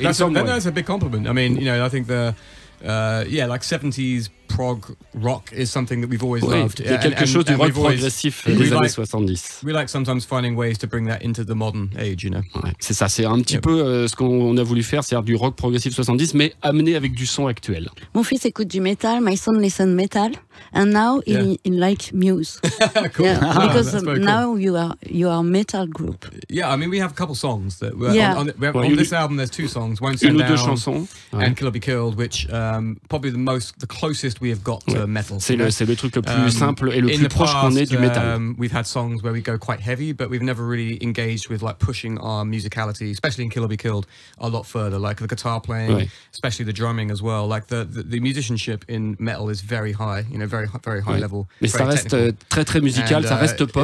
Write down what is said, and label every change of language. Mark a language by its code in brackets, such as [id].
[en] That's a big compliment, I mean, you know, I think like 70s prog rock is something that we've always loved. [fr] Il y a quelque chose du rock progressif des années 70. [en] We like sometimes finding ways to bring that into the modern age, you know. [fr] Ouais, c'est ça, c'est un petit peu ce qu'on a voulu faire, c'est-à-dire du rock progressif 70, mais amené avec du son actuel. Mon fils écoute du metal, [en] my son listen metal, and now he likes Muse. Cool. Now you are metal group. Yeah, I mean we have a couple songs that on this album there's two songs, Won't Stand Down, [fr] deux chansons. [en] And Kill or Be Killed, which probably the closest we have got to metal. [fr] C'est le truc le plus simple et le plus proche qu'on ait du métal. [en] We've had songs where we go quite heavy, but we've never really engaged with like pushing our musicality, especially in Kill or Be Killed, a lot further. Like the guitar playing, especially the drumming as well. Like the musicianship in metal is very high, you know, very high level. [fr] Mais ça reste très très musical, ça reste pop.